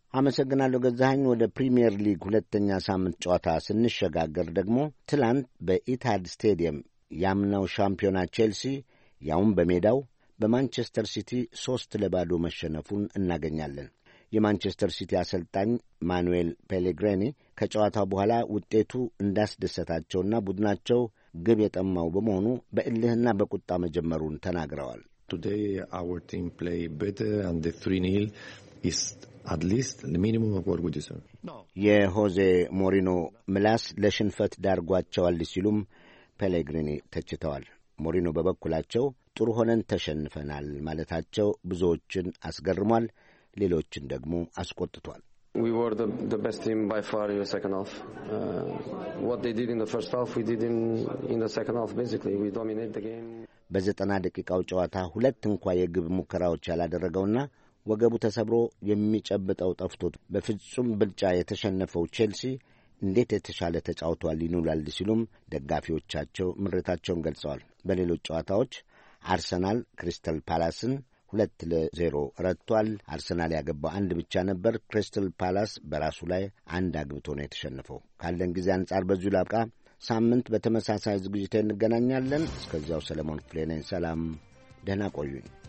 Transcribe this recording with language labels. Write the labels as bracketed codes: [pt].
[am] አመሰግናለሁ ገዛኸኝ። ወደ ፕሪምየር ሊግ ሁለተኛ ሳምንት ጨዋታ ስንሸጋገር ደግሞ ትላንት በኢታድ ስቴዲየም ያምናው ሻምፒዮና ቼልሲ ያውም በሜዳው በማንቸስተር ሲቲ 3-0 መሸነፉን እናገኛለን። የማንቸስተር ሲቲ አሰልጣኝ ማኑኤል ፔሌግሪኒ ከጨዋታው በኋላ ውጤቱ እንዳስደሰታቸውና ቡድናቸው ግብ የጠማው በመሆኑ በእልህና በቁጣ መጀመሩን ተናግረዋል። [en] Today our team play better and the 3-0 is at least the minimum of what we deserve. [am] የሆዜ ሞሪኖ ምላስ ለሽንፈት ዳርጓቸዋል ሲሉም ፔሌግሪኒ ተችተዋል። ሞሪኖ በበኩላቸው ጥሩ ሆነን ተሸንፈናል ማለታቸው ብዙዎችን አስገርሟል፣ ሌሎችን ደግሞ አስቆጥቷል። [en] We were the best team by far in the second half. What they did in the first half, we did in the second half basically. We dominated the game. [am] በ90 ደቂቃው ጨዋታ 2 እንኳን የግብ ሙከራዎች ያላደረገውና ወገቡ ተሰብሮ የሚጨብጠው ጠፍቶት በፍጹም ብልጫ የተሸነፈው ቼልሲ እንዴት የተሻለ ተጫውቷል ይኑላል ሲሉም ደጋፊዎቻቸው ምሬታቸውን ገልጸዋል። በሌሎች ጨዋታዎች አርሰናል ክሪስታል ፓላስን 2-0 ረቷል። አርሰናል ያገባው 1 ብቻ ነበር። ክሪስታል ፓላስ በራሱ ላይ 1 አግብቶ ነው የተሸነፈው። ካለን ጊዜ አንጻር በዚሁ ላብቃ። ሳምንት በተመሳሳይ ዝግጅት እንገናኛለን። እስከዚያው ሰለሞን ክፍሌ ነኝ። ሰላም፣ ደህና ቆዩኝ።